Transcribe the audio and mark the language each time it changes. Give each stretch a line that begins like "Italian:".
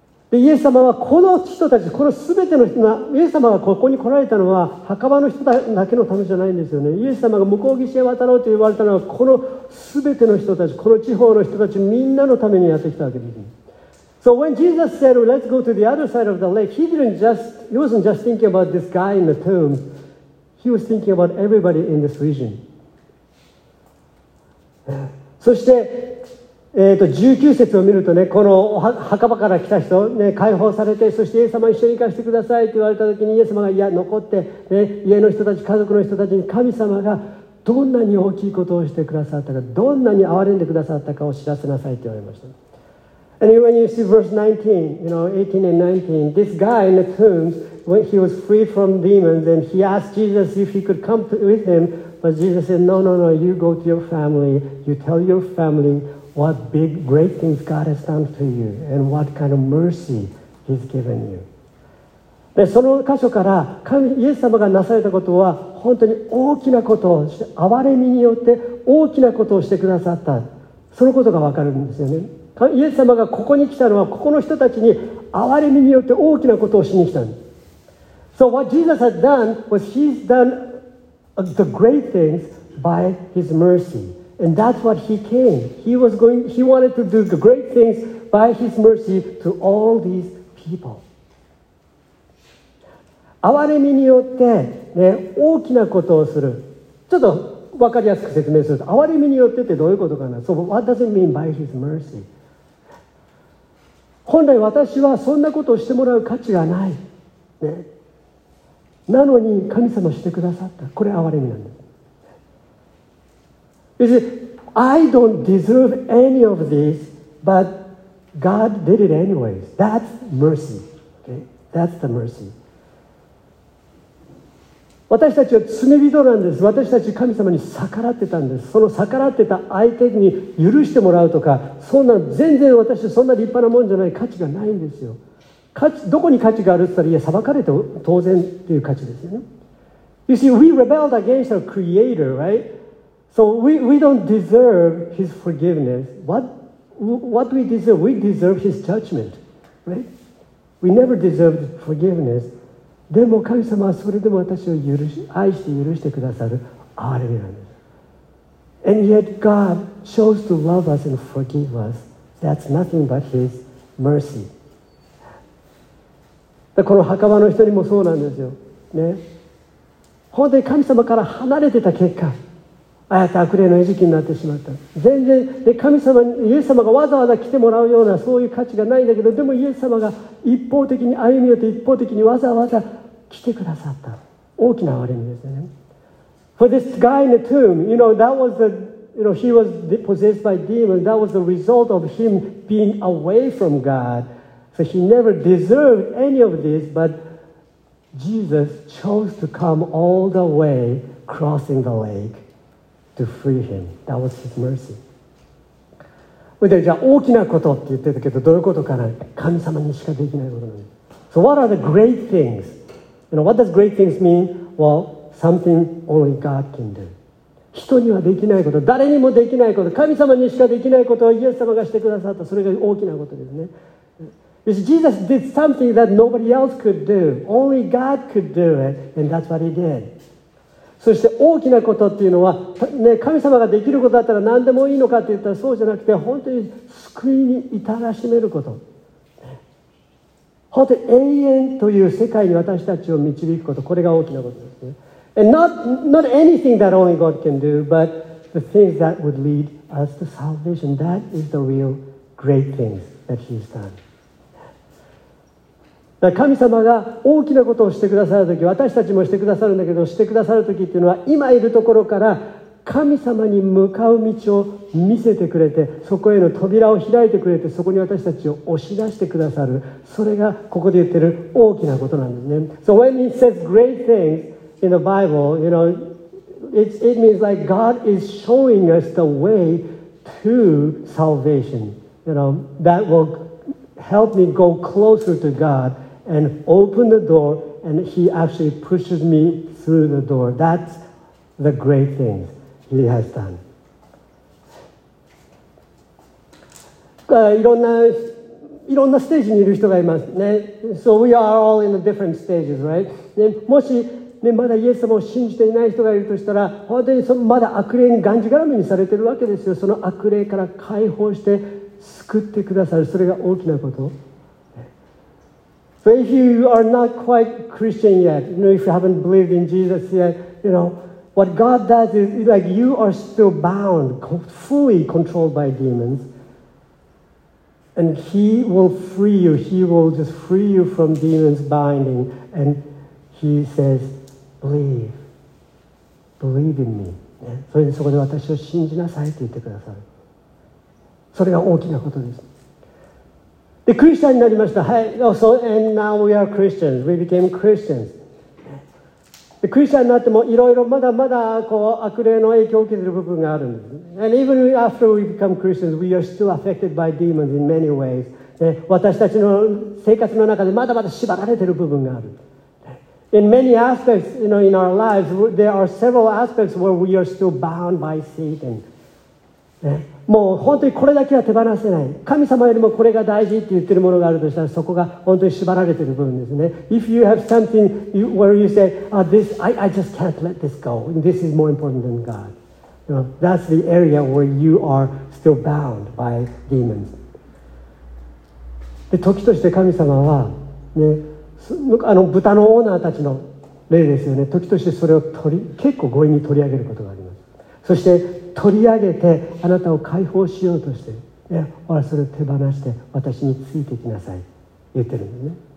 Japanese: で、イエス様はこの人たち、この全ての人が、イエス様がここに来られたのは墓場の人だけのためじゃないんですよね。イエス様が向こう岸へ渡ろうと言われたのは、この全ての人たち、この地方の人たちみんなのためにやってきたわけです。
English: So when Jesus said, let's go to the other side of the lake, he wasn't just thinking about this guy in the tomb. He was thinking about everybody in this region.
Japanese: そして、19節を見るとね、この墓場から来た人、ね、解放されて、そしてイエス様一緒に行かせてくださいと言われた時に、イエス様が、いや、残って、ね、家の人たち、家族の人たちに神様がどんなに大きいことをしてくださったか、どんなに憐れんでくださったかを知らせなさいと言われました。
English: And when you see verse 19, you know, 18 and 19, this guy in the tombs, when he was free from demons, and he asked Jesus if he could come with him, but Jesus said, no, no, no, you go to your family, you tell your family what big, great things God has done to you, and what kind of mercy he's given you.
Japanese: で、その箇所から、イエス様がなされたことは、本当に大きなことをして、憐れみによって大きなことをしてくださった。そのことがわかるんですよね。イエス様がここに来たのはここの人たちに憐れみによって大きなことをしに来たんです。
English: So what Jesus had done was he's done the great things by his mercy. And that's what he came. He wanted to do the great things by his mercy to all these people.
Japanese: 憐れみによって、ね、大きなことをする。ちょっと分かりやすく説明すると、憐れみによってってどういうことかな。
English: So what does it mean by his mercy?
Japanese: 本来私はそんなことをしてもらう価値がない、ね、なのに神様してくださった、これ憐れみなんです。
English: You see, I don't deserve any of this, but God did it anyways. That's mercy. Okay? That's the mercy.
Japanese: 私たちは罪人なんです。私たち神様に逆らってたんです。その逆らってた相手に許してもらうとか、そんな全然私そんな立派なもんじゃない、価値がないんですよ。価値どこに価値があるって言ったら、いや裁かれて当然っていう価値ですよね。
English: You see, we rebelled against our creator, right? So we don't deserve his forgiveness. What we deserve? We deserve his judgment, right? We never deserved forgiveness.
Japanese: でも神様はそれでも私を許し愛して許してくださる憐れみなんです。
English: And yet God chose to love us and forgive us. That's nothing but His mercy.
Japanese: この墓場の人にもそうなんですよ。ね、本当に神様から離れてた結果、ああやって悪霊の餌食になってしまった。全然で神様に、イエス様がわざわざ来てもらうようなそういう価値がないんだけど、でもイエス様が一方的に歩み寄って一方的にわざわざ来てくださった。大きな憐れみですね。
English: For this guy in the tomb, you know, that was the, you know, he was possessed by demons. That was the result of him being away from God. So he never deserved any of this, but Jesus chose to come all the way crossing the lake. To free him. That was his mercy.
Japanese: じゃあ大きなことって言ってたけど、どういうことかな。神様にしかできないことなんです。
English: So what are the great things? You know, what does great things mean? Well, something only God can do.
Japanese: 人にはできないこと、誰にもできないこと、神様にしかできないことをイエス様がしてくださった。それが大きなことですね。
English: You see, Jesus did something that nobody else could do. Only God could do it, and that's what he did.
Japanese: そして大きなことっていうのは、ね、神様ができることだったら何でもいいのかって言ったらそうじゃなくて、本当に救いに至らしめること、本当に永遠という世界に私たちを導くこと、これが大きなことですね。
English: And not anything that only God can do, but the things that would lead us to salvation. That is the real great things that he's done.
Japanese: 神様が大きなことをしてくださるとき、私たちもしてくださるんだけど、してくださるときっていうのは、今いるところから神様に向かう道を見せてくれて、そこへの扉を開いてくれて、そこに私たちを押し出してくださる。それがここで言ってる大きなことなんですね。
English: So when it says great things in the Bible, you know, it means like God is showing us the way to salvation, you know, that will help me go closer to God and open the door, and he actually pushes me through the door. That's the great thing he has done.
Japanese: いろんなステージにいる人がいますね。
English: So we are all in the different stages, right?
Japanese: ね、もし、ね、まだイエス様を信じていない人がいるとしたら、本当にそのまだ悪霊にがんじがらめにされているわけですよ。その悪霊から解放して救ってくださる。それが大きなこと。
English: But if you are not quite Christian yet, you know, if you haven't believed in Jesus yet, you know, what God does is like you are still bound, fully controlled by demons. And he will free you. He will just free you from demons binding. And he says, believe. Believe in me.
Japanese: それでそこで私を信じなさいと言ってくださる。それが大きなことです。で、クリスチャンになりました。
English: はい。So, and now we are Christians. We became Christians.
Japanese: クリスチャンになってもいろいろまだまだこう悪霊の影響を受けている部分があるんです。
English: And even after we become Christians, we are still affected by demons in many ways.
Japanese: 私たちの生活の中でまだまだ縛られている部分がある。
English: In many aspects, you know, in our lives, there are several aspects where we are still bound by Satan.
Japanese: もう本当にこれだけは手放せない。神様よりもこれが大事って言ってるものがあるとしたら、そこが本当に縛られてる部分ですね。
English: If you have something you, where you say,、oh, this, I just can't let this go. This is more important than God. You know, that's the area where you are still bound by demons.
Japanese: で、時として神様は、ね、あの豚のオーナーたちの例ですよね。時としてそれを結構強引に取り上げることがあります。そして取り上げてあなたを解放しようとして、いや、それを手放して私についてきなさい言ってるんですね。